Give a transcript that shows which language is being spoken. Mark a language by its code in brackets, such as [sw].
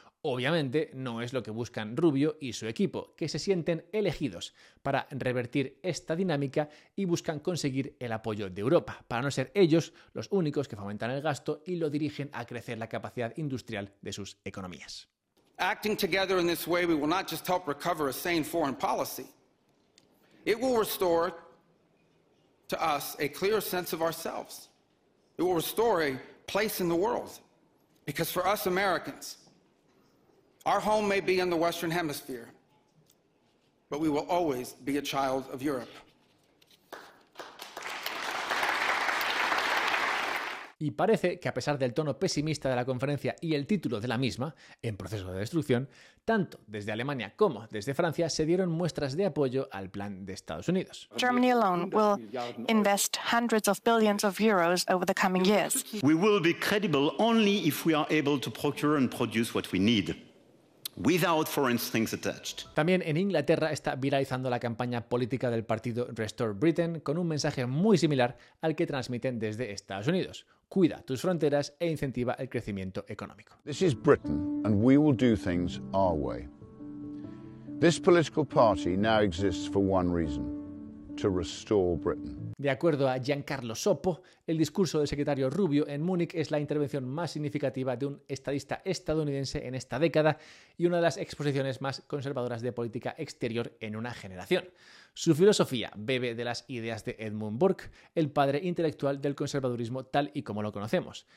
[es] Obviamente no es lo que buscan Rubio y su equipo, que se sienten elegidos para revertir esta dinámica y buscan conseguir el apoyo de Europa, para no ser ellos los únicos que fomentan el gasto y lo dirigen a crecer la capacidad industrial de sus economías. [en] Acting together in this way, we will not just help recover a sane foreign policy. It will restore to us a clear sense of ourselves. It will restore a place in the world, because for us Americans, our home may be in the Western Hemisphere, but we will always be a child of Europe. [es] Y parece que a pesar del tono pesimista de la conferencia y el título de la misma, En proceso de destrucción, tanto desde Alemania como desde Francia se dieron muestras de apoyo al plan de Estados Unidos. [en] Germany alone will invest hundreds of billions of euros over the coming years. We will be credible only if we are able to procure and produce what we need. Without foreign things attached. [es] También en Inglaterra está viralizando la campaña política del partido Restore Britain con un mensaje muy similar al que transmiten desde Estados Unidos. Cuida tus fronteras e incentiva el crecimiento económico. [en] This is Britain and we will do things our way. This political party now exists for one reason. To restore Britain. [es] De acuerdo a Giancarlo Sopo, el discurso del secretario Rubio en Múnich es la intervención más significativa de un estadista estadounidense en esta década y una de las exposiciones más conservadoras de política exterior en una generación. Su filosofía bebe de las ideas de Edmund Burke, el padre intelectual del conservadurismo tal y como lo conocemos.